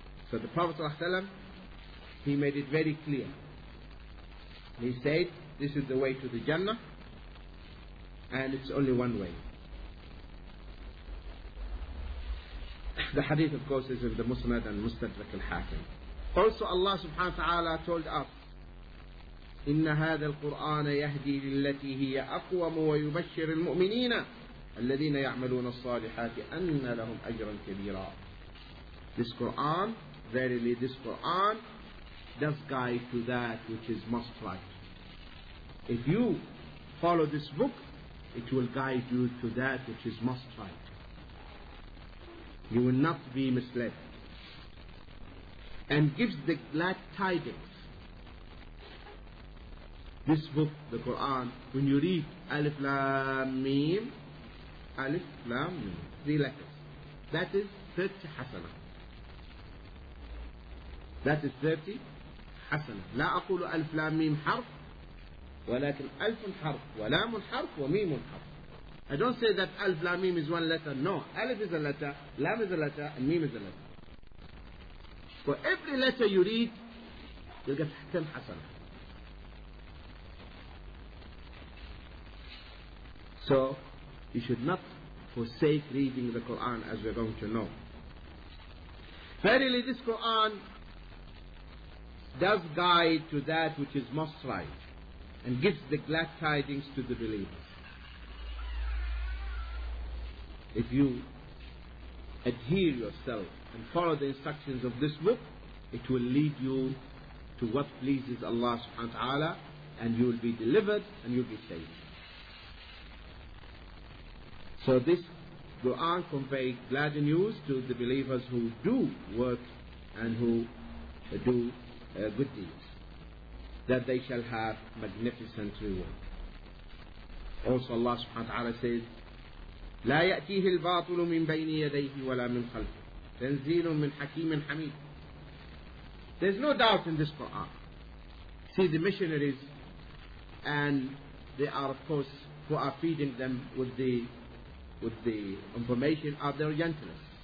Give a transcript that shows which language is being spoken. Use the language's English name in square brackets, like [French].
[English] So the Prophet sallallahu alaihi wasallam, he made it very clear. He said, this is the way to the Jannah, and it's only one way. The hadith, of course, is of the Musnad and Mustadrak al-Hakim. Also, Allah subhanahu wa ta'ala told us, [Arabic] إِنَّ هَذَا الْقُرْآنَ يَهْدِي لِلَّتِي هِيَ أَقْوَمُ وَيُبَشِّرِ الْمُؤْمِنِينَ الَّذِينَ يَعْمَلُونَ الصَّالِحَاتِ أَنَّ لَهُمْ أَجْرًا كَبِيرًا. [English] This Quran, verily this Quran, does guide to that which is most right. If you follow this book, it will guide you to that which is most right. You will not be misled. And gives the glad tidings. This book, the Quran, when you read Alif Lam Mim, Alif Lam Mim, three letters. That is 30 hasana. That is 30 hasana. [Arabic] لا أقول ألف لام ميم حرف ولكن ألف حرف ولام حرف وميم حرف. [English] I don't say that ألف لام ميم is one letter. No, ألف is a letter, لام is a letter, and ميم is a letter. For every letter you read, you'll get 10 حسنة. So, you should not forsake reading the Quran, as we're going to know. Verily, this Quran does guide to that which is most right, and gives the glad tidings to the believers. If you adhere yourself and follow the instructions of this book, it will lead you to what pleases Allah subhanahu wa ta'ala, and you will be delivered and you will be saved. So this Quran conveys glad news to the believers who do work and who do good deeds, that they shall have magnificent reward. Also Allah subhanahu wa ta'ala says, [Arabic] لا يأتيه الباطل من بين يديه ولا من خلفه تنزيل من حكيم حميد. [English] There's no doubt in this Quran. See the missionaries, and they are, of course, who are feeding them with the information of their gentleness.